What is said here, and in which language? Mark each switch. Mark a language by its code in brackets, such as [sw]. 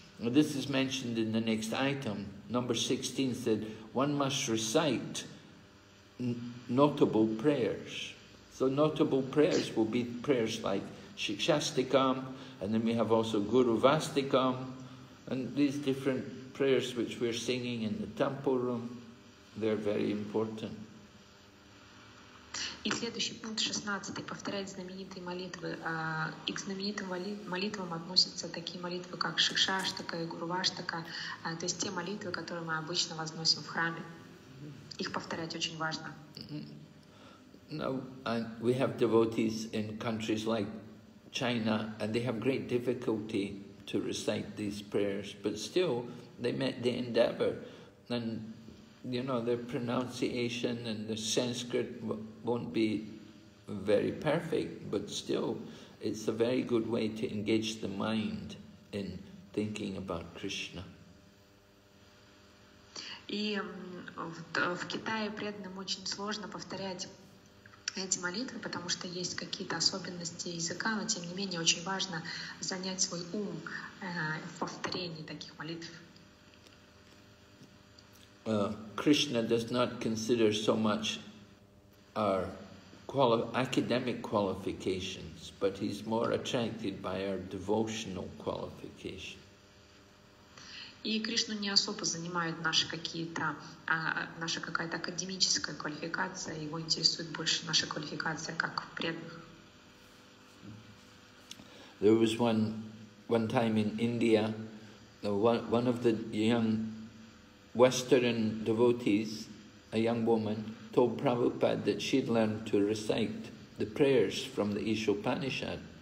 [en] This is mentioned in the next item, number 16, that one must recite notable prayers. So notable prayers will be prayers like Shikshastikam, and then we have also Guru Vastikam, and these different prayers which we're singing in the temple room, they're very important. [ru] И следующий пункт 16. Повторять знаменитые молитвы. И к знаменитым молитвам относятся такие молитвы, как Шикшаштака и Гуру Ваштака, то есть те молитвы, которые мы обычно возносим в храме. Их повторять очень важно. [en] Now, we have devotees in countries like China, and they have great difficulty to recite these prayers, but still, they make the endeavor. And, you know, their pronunciation and the Sanskrit won't be very perfect, but still, it's a very good way to engage the mind in thinking about Krishna. [ru] И в Китае преданным очень сложно повторять эти молитвы, потому что есть какие-то особенности языка, но тем не менее очень важно занять свой ум в повторении таких молитв. [en] Krishna does not consider so much our academic qualifications, but he's more attracted by our devotional qualifications. [ru] И Кришну не особо занимает наши какие-то, наша какая-то академическая квалификация, его интересует больше наша квалификация как преданных. [en] There was one time in India, one of the young Western devotees, a young woman, told Prabhupada that she'd learned to recite the prayers from the Isha Upanishad.